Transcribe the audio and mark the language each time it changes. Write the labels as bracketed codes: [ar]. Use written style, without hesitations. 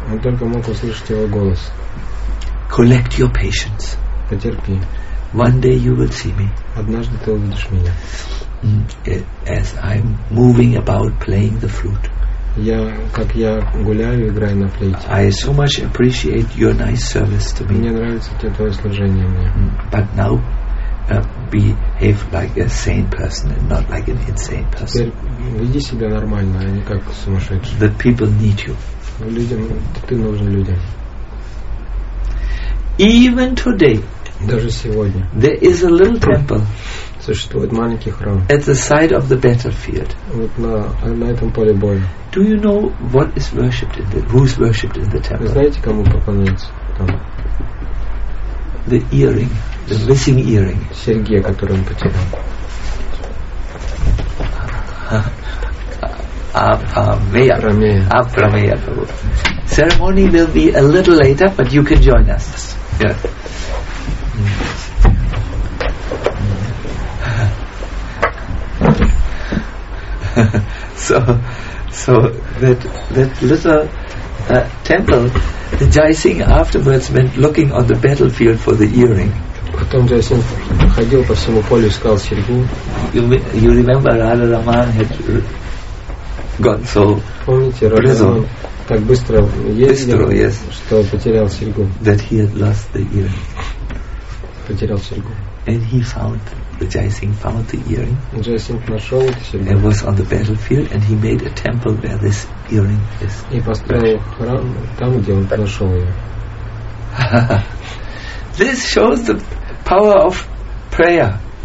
[ru] Он только мог услышать его голос. [en] Collect your patience. [ru] Потерпи. [en] One day you will see me. [ru] Однажды ты увидишь меня. [en] As I'm moving about playing the flute. [ru] Я, как я гуляю, играю на флейте. [en] I so much appreciate your nice service to me. [ru] Мне нравится твое служение мне. [en] But now behave like a sane person and not like an insane person. [ru] Теперь веди себя нормально, а не как сумасшедший. [en] The people need you. [ru] Людям, ты нужен людям. [en] Even today. [ru] Даже сегодня. [en] There is a little temple. [ru] Существует маленький храм. [en] At the side of the battlefield. [ru] Вот на этом поле боя. [en] Do you know what is worshipped in the, who's worshipped in the temple? [ru] Знаете, кому поклоняется там? [en] The earring, the missing earring. [ru] Серьги, которую он потерял. Апрамея. [en] Ceremony will be a little later, but you can join us. Yeah. So that little temple, the Jai Singh afterwards went looking on the battlefield for the earring. [ru] Потом Jai Singh ходил по всему полю, искал серьгу. [en] You remember Radha Raman had gone so. [ru] Помните, Radha Raman так быстро ездил, [en] yes. [ru] Что потерял серьгу. [en] That he had lost the earring. [ru] Потерял серьгу. [en] And he found. Jai Singh found the earring. [ru] Jai Singh нашел эту серьгу. [en] And was on the battlefield, and he made a temple where this earring is. [ru] И построил храм там, где он нашел ее. [en] This shows the power of prayer.